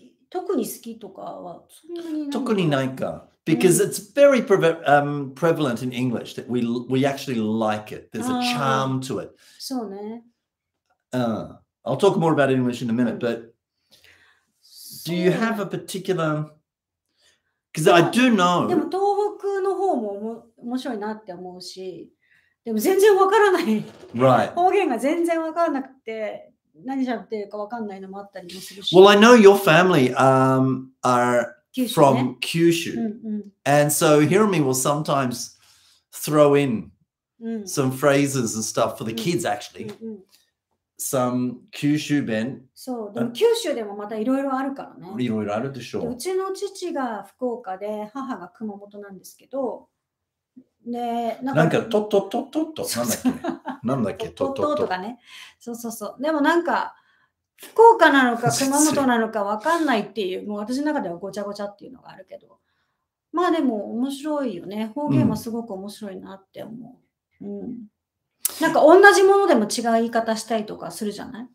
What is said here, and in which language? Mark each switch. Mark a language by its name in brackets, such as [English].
[Japanese] 特に好きとかはそんなに特にないか [English] because it's very prevalent in English that we actually like it. There's a charm to it. [Japanese] そうね。 [English] I'll talk more about English in a minute, but do you have a particular? Because I do know. [Japanese] でも東北の方も面白いなって思うし、でも全然わからない。 [English] Right. [Japanese] 方言が全然わからなくて。何喋ってるか分かんないのもあったりもするし。 [English] Well, I know your family are from Kyushu. And so Hiromi will sometimes throw in some phrases and stuff for the kids, actually. Some Kyushu ben. [Japanese] そう、でも九州でもまたいろいろあるからね。いろいろあるでしょう。うちの父が福岡で、母が熊本なんですけど、ね、なんかトトトトトなんだっけなんだっけトトトとかねそうそうそうでもなんか福岡なのか熊本なのかわかんないっていうもう私の中ではごちゃごちゃっていうのがあるけどまあでも面白いよね方言もすごく面白いなって思う、なんか同じものでも違う言い方したいとかするじゃない